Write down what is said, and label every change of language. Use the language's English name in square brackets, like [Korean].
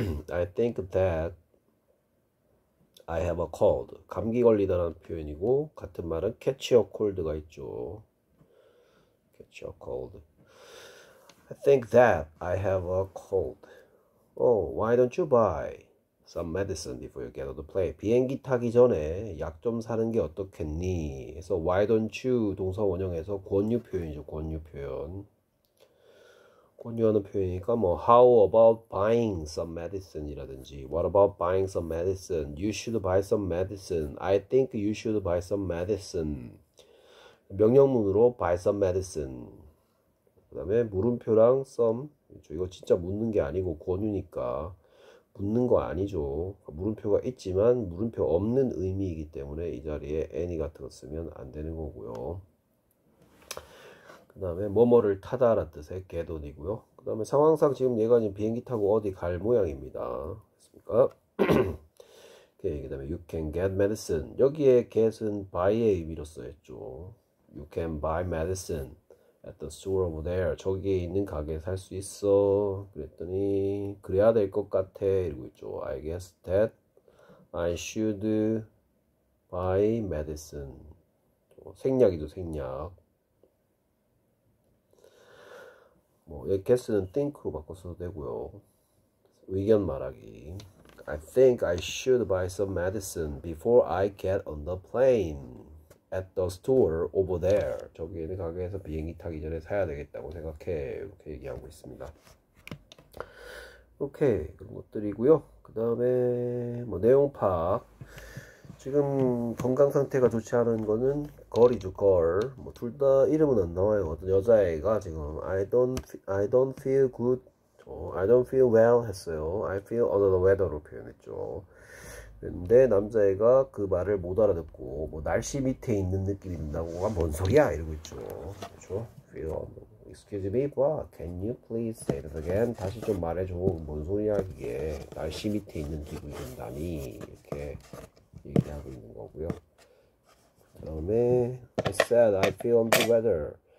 [English] I think that I have a cold. [Korean] 감기 걸리다라는 표현이고, 같은 말은 [English] catch a cold [Korean] 가 있죠. catch a cold. [English] I think that I have a cold. Oh, why don't you buy some medicine before you get on the plane. [Korean] 비행기 타기 전에 약좀 사는 게 어떻겠니? 해서 [English] why don't you [Korean] 동사 원형에서 권유 표현이죠. 권유 표현. 권유하는 표현이니까 뭐 [English] how about buying some medicine이라든지 what about buying some medicine? You should buy some medicine. I think you should buy some medicine. [Korean] 명령문으로 [English] buy some medicine. [Korean] 그다음에 물음표랑 some. 그렇죠. 이거 진짜 묻는 게 아니고 권유니까. 묻는 거 아니죠. 물음표가 있지만 물음표 없는 의미이기 때문에 이 자리에 any 같은 거 쓰면 안 되는 거고요. 그다음에 뭐뭐를 타다라는 뜻의 get on이고요. 그다음에 상황상 지금 얘가 지금 비행기 타고 어디 갈 모양입니다. 그렇습니까? 오케이. 그다음에 [English] you can get medicine. [Korean] 여기에 get은 buy의 의미로 써있죠. [English] You can buy medicine at the store over there. [Korean] 저기에 있는 가게에 살수 있어. 그랬더니 그래야 될것 같아 이러고 있죠. [English] I guess that I should buy medicine. [Korean] 생략이죠, 생략. 뭐 여기 guess는 think로 바꿔서도 되고요. 의견 말하기. [English] I think I should buy some medicine before I get on the plane. At the store over there. [Korean] 저기 있는 가게에서 비행기 타기 전에 사야 되겠다고 생각해. 이렇게 얘기하고 있습니다. 오케이. 그런 것들이고요. 그 다음에, 뭐, 내용 파악. 지금 건강 상태가 좋지 않은 거는 걸이죠, 걸. 뭐, 둘다 이름은 안 나와요. 어떤 여자애가 지금 [English] I don't feel good. I don't feel well [Korean] 했어요. [English] I feel under the weather로 [Korean] 표현했죠. 근데 남자애가 그 말을 못 알아듣고 뭐 날씨 밑에 있는 느낌이 든다고가 뭔 소리야? 이러고 있죠. 그렇죠? [English] Feel Excuse me, but can you please say it again? [Korean] 다시 좀 말해줘. 뭔 소리야 이게? 날씨 밑에 있는 기분이 든다니 이렇게 얘기하고 있는 거고요. 그다음에 [English] I said I feel under the weather.